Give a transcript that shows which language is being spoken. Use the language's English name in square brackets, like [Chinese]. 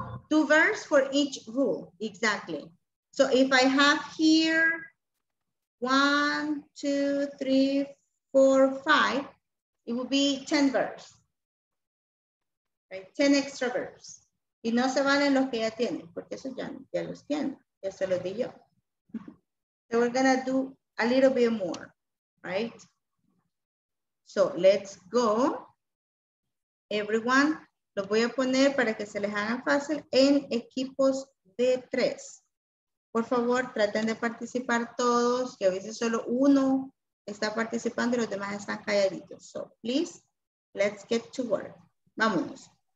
[English] Two verbs for each rule. Exactly. So if I have here 1, 2, 3, 4, 5, it will be 10 verbs. Right? 10 extra verbs. [Spanish] Y no se valen los que ya tienen, porque eso ya los tienen. Ya se los di yo. [English] So we're going to do a little bit more, right? So let's go. [Spanish] Everyone, los voy a poner para que se les haga fácil en equipos de 3. Por favor, traten de participar todos, que a veces solo uno está participando y los demás están calladitos. [English] So please, let's get to work. Vámonos.